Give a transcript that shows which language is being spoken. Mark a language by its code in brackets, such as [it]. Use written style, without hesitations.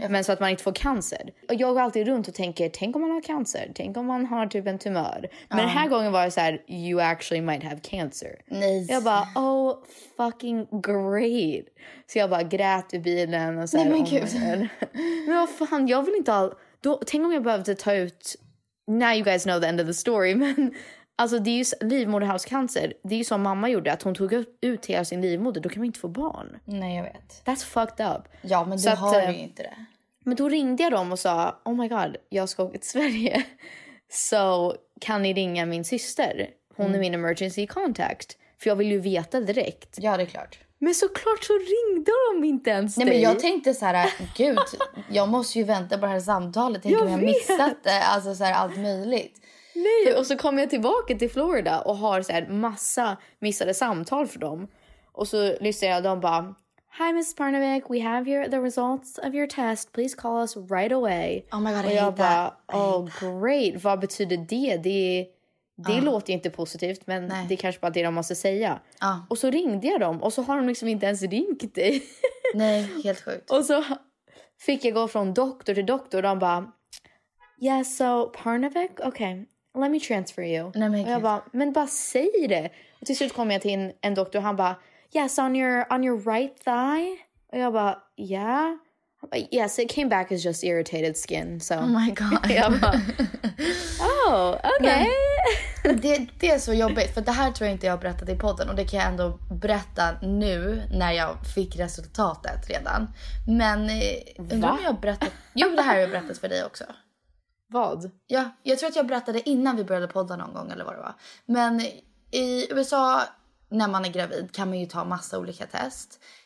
[sv] Men så att man inte får cancer. Och jag går alltid runt och tänker, tänk om man har cancer. Tänk om man har typ en tumör. Men den här gången var det så här, [en] you actually might have cancer. [sv] Nej. Jag bara, [en] oh fucking great. [sv] Så jag bara grät i bilen och så här. Nej men gud. Men vad fan, jag vill inte all... Då, tänk om jag behövde ta ut... [en] Now you guys know the end of the story, men... [sv] Alltså det är ju livmoderhalscancer. Det är ju som mamma gjorde, att hon tog ut hela sin livmoder. Då kan man inte få barn. Nej, jag vet. [en] That's fucked up. [sv] Ja, men så du att, har ju inte det. Men då ringde jag dem och sa, [en] oh my god, [sv] jag ska åka till Sverige. Så kan ni ringa min syster? Hon är min emergency contact. För jag vill ju veta direkt. Ja, det är klart. Men såklart så ringde de inte ens dig. Nej, men jag tänkte så här, gud, jag måste ju vänta på det här samtalet. Tänk om jag missat det. Alltså så här, allt möjligt. Nej, och så kom jag tillbaka till Florida och har så här massa missade samtal för dem. Och så lyssnar jag, de bara, [en] hi Mrs. Parnevik, we have here the results of your test. Please call us right away. Oh my god, [sv] och jag bara, [en] oh great, [sv] vad betyder det? Det låter inte positivt, men nej, det är kanske bara det de måste säga. Och så ringde jag dem, och så har de liksom inte ens ringt dig. Nej, helt sjukt. Och så fick jag gå från doktor till doktor, och de bara, [en] yeah, so Parnevik, okay, let me transfer you. [sv] Nej, men och jag bara, men bara säg det. Och till slut kom jag till en doktor, och han bara, [en] yes, on your right thigh. [sv] Och jag bara, yeah. [en] But yes, it came back as just irritated skin. So. Oh my god. [sv] Jag bara, oh, okay. Det är så jobbigt, för det här tror jag inte jag har berättat i podden. Och det kan jag ändå berätta nu när jag fick resultatet redan. Men undrar om jag har berättat. Jo, det här har jag berättat för dig också. Vad? Ja, jag tror att jag berättade innan vi började podda någon gång eller vad det var. Men i USA, när man är gravid, kan man ju ta massa olika test.